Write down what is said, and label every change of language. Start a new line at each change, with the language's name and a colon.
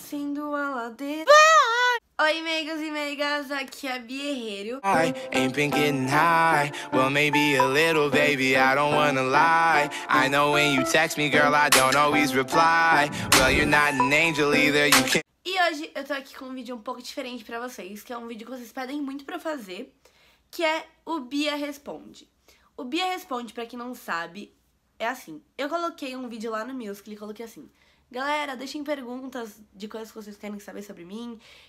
Portuguese: Oi, meigos e meigas, aqui é a Bia Herreiro.
English: I ain't been getting high, well maybe a little, baby, I don't wanna lie. I know when you text me, girl, I don't always reply. Well, you're not an angel either, you can't...
Portuguese: E hoje eu tô aqui com um vídeo um pouco diferente pra vocês, que é um vídeo que vocês pedem muito pra fazer, que é o Bia Responde. O Bia Responde, pra quem não sabe, é assim. Eu coloquei um vídeo lá no Musical.ly, coloquei assim: galera, deixem perguntas de coisas que vocês querem saber sobre mim.